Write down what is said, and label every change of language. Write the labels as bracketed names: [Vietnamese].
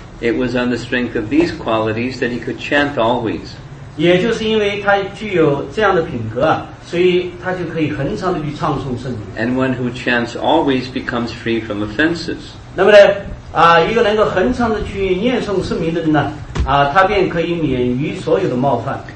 [English] It was on the strength of these qualities that he could chant always. [Chinese] 也就是因为他具有这样的品格，所以他就可以恒常的去唱诵圣名。 [English] And one who chants always becomes free from offenses. [Chinese] 那么呢，一个能够恒常的去念诵圣名的人呢，他便可以免于所有的冒犯。